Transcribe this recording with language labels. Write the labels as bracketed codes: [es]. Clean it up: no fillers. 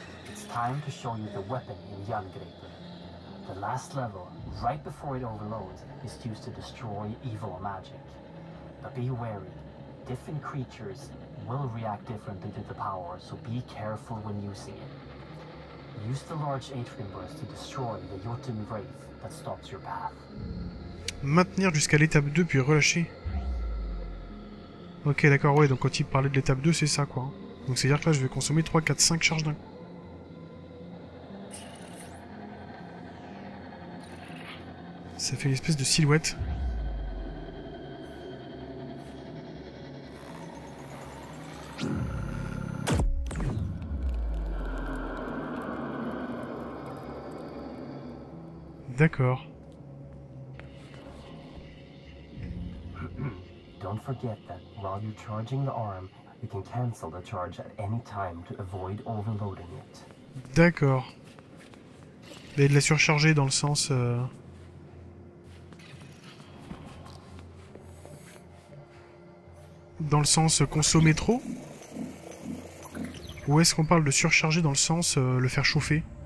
[en] It's time to show you the weapon in Yangreipur. The last level, right before it overloads, is used to destroy evil magic. But be wary. Different creatures will react differently to the power, so be careful when using it. Use the large atrium burst to destroy the Jotun Wraith that stops your path. [fr] Maintenir jusqu'à l'étape 2 puis relâcher. Ok, d'accord, ouais, donc quand il parlait de l'étape 2, c'est ça, quoi. Donc c'est-à-dire que là, je vais consommer 3, 4, 5 charges d'un coup. Ça fait une espèce de silhouette. D'accord. [en] Don't forget that while you're charging the arm, you can cancel the charge at any time to avoid overloading it. [fr] D'accord. Mais de la surcharger dans le sens. Dans le sens consommer trop? Ou est-ce qu'on parle de surcharger dans le sens le faire chauffer?